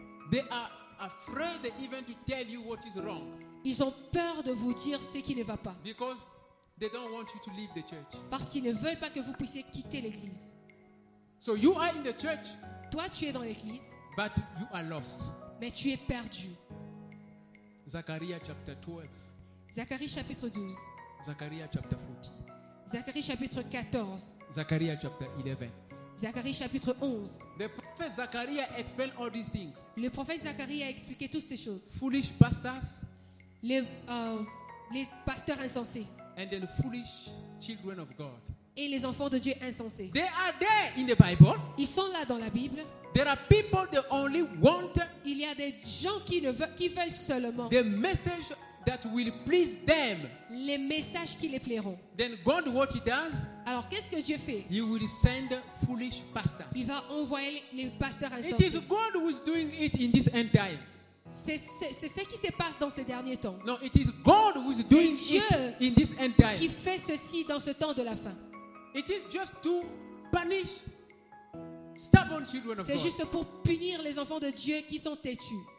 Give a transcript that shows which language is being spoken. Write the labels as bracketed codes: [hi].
[en] They are afraid even to tell you what is wrong. [fr] Ils ont peur de vous dire ce qui ne va pas. [en] Because they don't want you to leave the church. [fr] Parce qu'ils ne veulent pas que vous puissiez quitter l'église. [en] So you are in the church. [fr] Toi tu es dans l'église. [en] But you are lost. [fr] Mais tu es perdu. [en] Zacharie chapter 12. [fr] Zacharie chapitre 12. [en] Zacharie chapter 14. [fr] Zacharie chapitre 14. [en] Zacharie chapter 11. [fr] Zacharie chapitre 11. [en] The prophet Zacharie explained all these things. [fr] Le prophète Zacharie a expliqué toutes ces choses. [en] Foolish pastors. [fr] Les pasteurs insensés. [en] And then foolish children of God. [fr] Et les enfants de Dieu insensés. [en] They are there in the Bible. [fr] Ils sont là dans la Bible. [en] There are people that only want. [fr] Il y a des gens qui veulent seulement. [en] The message. That will please them. [fr] Les messages qui les plairont. [en] Then God, what he does? [fr] Alors qu'est-ce que Dieu fait? [en] He will send foolish pastors. [fr] Il va envoyer les pasteurs insensés. [en] It is God who is doing it in this end time. [fr] C'est ce qui se passe dans ces derniers temps. [en] No, it is God who is [fr] c'est [en] doing [fr] Dieu [en] it in this end time. [fr] Qui fait ceci dans ce temps de la fin. [en] It is just to punish stubborn children of God. [fr] C'est juste pour punir les enfants de Dieu qui sont têtus.